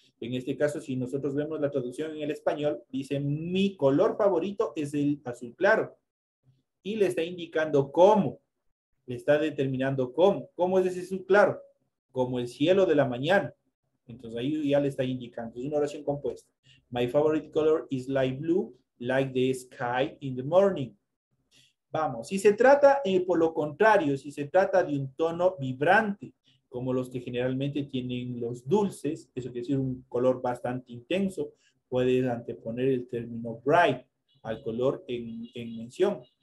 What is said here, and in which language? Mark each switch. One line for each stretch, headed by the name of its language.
Spanish: En este caso, si nosotros vemos la traducción en el español, dice mi color favorito es el azul claro. Y le está indicando cómo. Le está determinando cómo. ¿Cómo es ese azul claro? Como el cielo de la mañana. Entonces ahí ya le está indicando. Es una oración compuesta.
English: My favorite color is light blue, like the sky in the morning.
Spanish: Vamos, si se trata, por lo contrario, si se trata de un tono vibrante, como los que generalmente tienen los dulces, eso quiere decir un color bastante intenso, puedes anteponer el término bright al color en mención.